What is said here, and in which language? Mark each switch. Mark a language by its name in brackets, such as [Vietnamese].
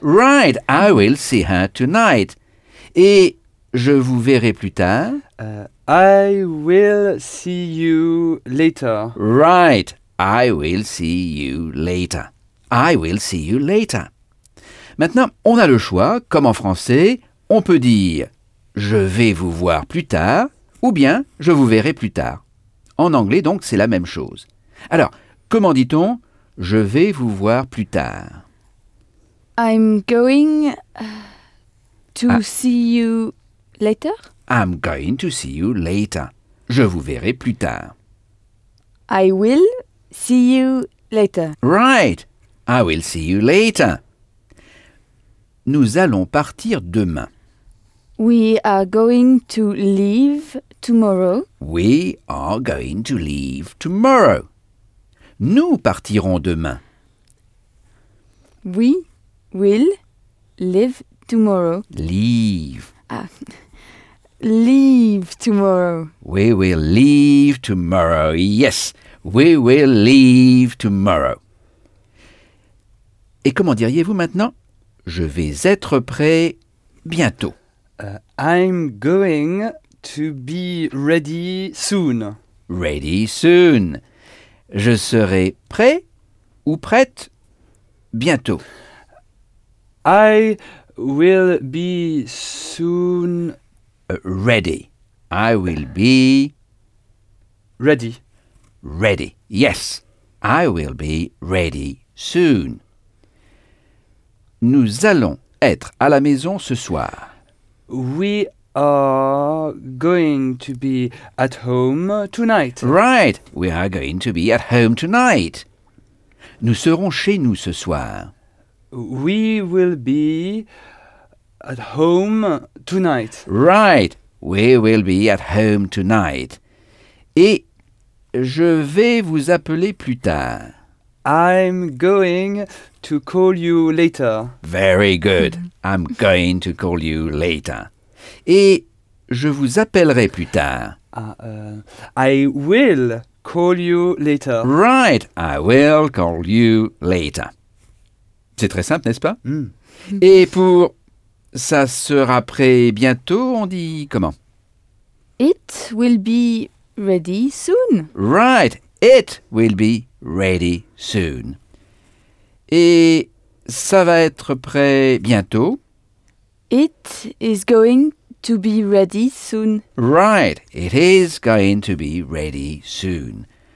[English] Right, I will see her tonight. [French] Et je vous verrai plus tard. [English] I will see you later. Right, I will see you later. I will see you later. [French] Maintenant, on a le choix, comme en français, on peut dire « je vais vous voir plus tard » ou bien « je vous verrai plus tard ». En anglais, donc, c'est la même chose. Alors, comment dit-on « je vais vous voir plus tard » ? [English] I'm going to see you later. I'm going to see you later. [French] Je vous verrai plus tard. [English] I will see you Later. Right. I will see you later. [French] Nous allons partir demain. [English] We are going to leave tomorrow. We are going to leave tomorrow. [French] Nous partirons demain. [English] We will leave tomorrow. Leave. Leave tomorrow. We will leave tomorrow. Yes, we will leave tomorrow. [French] Et comment diriez-vous maintenant? Je vais être prêt bientôt. [English] I'm going to be ready soon. Ready soon. [French] Je serai prêt ou prête bientôt. [English] I will be soon ready. I will be ready. Ready. Yes. I will be ready soon. [French] Nous allons être à la maison ce soir. [English] We are going to be at home tonight. Right. We are going to be at home tonight. [French] Nous serons chez nous ce soir. [English] We will be at home tonight. Right. We will be at home tonight. [French] Et je vais vous appeler plus tard. [English] I'm going to call you later. Very good. I'm going to call you later. [French] Et je vous appellerai plus tard. [English] I will call you later. Right. I will call you later. [French] C'est très simple, n'est-ce pas? Et pour ça sera prêt bientôt, on dit comment? [English] It will be ready soon. Right. It will be ready soon. [French] Et ça va être prêt bientôt? [English] It is going to be ready soon. Right. It is going to be ready soon.